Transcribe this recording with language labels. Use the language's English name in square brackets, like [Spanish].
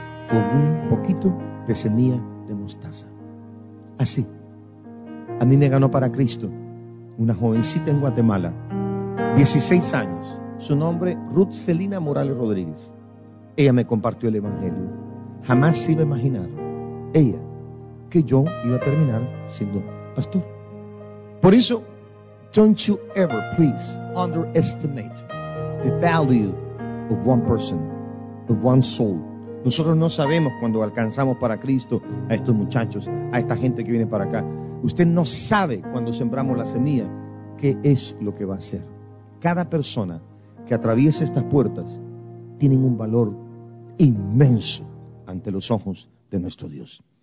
[Spanish] Con un poquito de semilla de mostaza. Así, a mí me ganó para Cristo una jovencita en Guatemala, 16 años, su nombre Ruth Celina Morales Rodríguez. Ella me compartió el Evangelio. Jamás iba a imaginar ella que yo iba a terminar siendo pastor. Por eso, [English] don't you ever, please, underestimate the value of one person, of one soul. [Spanish] Nosotros no sabemos cuando alcanzamos para Cristo a estos muchachos, a esta gente que viene para acá. Usted no sabe cuando sembramos la semilla qué es lo que va a hacer. Cada persona que atraviesa estas puertas tiene un valor inmenso ante los ojos de nuestro Dios.